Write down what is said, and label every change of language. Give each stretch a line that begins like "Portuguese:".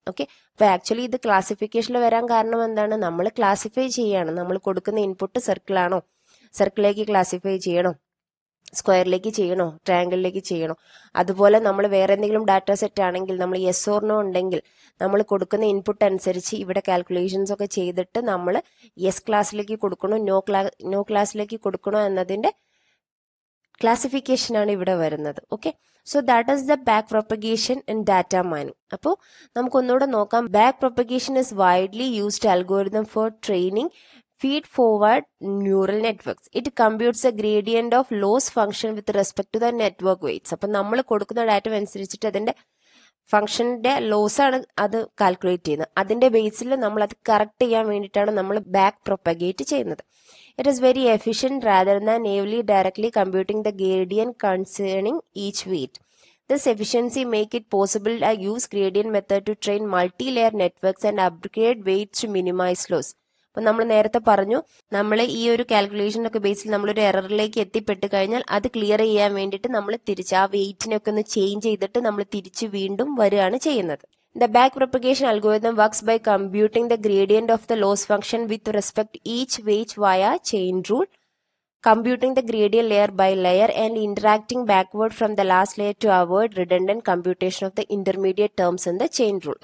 Malayalam: Okay, അപ്പൊ actually ഇത് ക്ലാസിഫിക്കേഷനിൽ വരാൻ കാരണം എന്താണ്, നമ്മൾ ക്ലാസിഫൈ ചെയ്യാണ്, നമ്മൾ കൊടുക്കുന്ന ഇൻപുട്ട് സർക്കിളാണോ, സർക്കിളിലേക്ക് ക്ലാസിഫൈ ചെയ്യണോ, സ്ക്വയറിലേക്ക് ചെയ്യണോ, ട്രയാങ്കിളിലേക്ക് ചെയ്യണോ, അതുപോലെ നമ്മൾ വേറെ എന്തെങ്കിലും ഡാറ്റ സെറ്റ് ആണെങ്കിൽ, നമ്മൾ യെസ് ഓർ നോ ഉണ്ടെങ്കിൽ നമ്മൾ കൊടുക്കുന്ന ഇൻപുട്ട് അനുസരിച്ച് ഇവിടെ കാൽക്കുലേഷൻസ് ഒക്കെ ചെയ്തിട്ട് നമ്മൾ യെസ് ക്ലാസ്സിലേക്ക് കൊടുക്കണോ, നോ ക്ലാസ്സിലേക്ക് കൊടുക്കണോ എന്നതിൻ്റെ ക്ലാസിഫിക്കേഷൻ ആണ് ഇവിടെ വരുന്നത്.
English: Okay, so that is the back propagation in data mining.
Malayalam: അപ്പോൾ നമുക്കൊന്നുകൂടെ നോക്കാം,
English: Back propagation is widely used algorithm for training feed forward neural networks. It computes a gradient of loss function with respect to the network weights.
Malayalam: അപ്പോൾ നമ്മൾ കൊടുക്കുന്ന data അനുസരിച്ചിട്ട് അതിൻ്റെ ഫംഗ്ഷൻ്റെ loss ആണ് അത് calculate ചെയ്യുന്നത്. അതിൻ്റെ ബേസിൽ നമ്മൾ അത് കറക്റ്റ് ചെയ്യാൻ വേണ്ടിയിട്ടാണ് നമ്മൾ ബാക്ക് പ്രൊപ്പഗേറ്റ് ചെയ്യുന്നത്.
English: It is very efficient rather than naively directly computing the gradient concerning each weight. This efficiency make it possible to use gradient method to train multi-layer networks and upgrade weights to minimize loss.
Malayalam: അപ്പൊ നമ്മൾ നേരത്തെ പറഞ്ഞു, നമ്മൾ ഈ ഒരു കാൽക്കുലേഷനൊക്കെ ബേസിൽ നമ്മളൊരു എററിലേക്ക് എത്തിപ്പെട്ട് കഴിഞ്ഞാൽ അത് ക്ലിയർ ചെയ്യാൻ വേണ്ടിയിട്ട് നമ്മൾ തിരിച്ച് ആ വെയിറ്റിനൊക്കെ ഒന്ന് ചേഞ്ച് ചെയ്തിട്ട് നമ്മൾ തിരിച്ച് വീണ്ടും വരികയാണ് ചെയ്യുന്നത്.
English: The back propagation algorithm works by computing the gradient of the loss function with respect each weight via chain rule, computing the gradient layer by layer and interacting backward from the last layer to avoid redundant computation of the intermediate terms in the chain rule.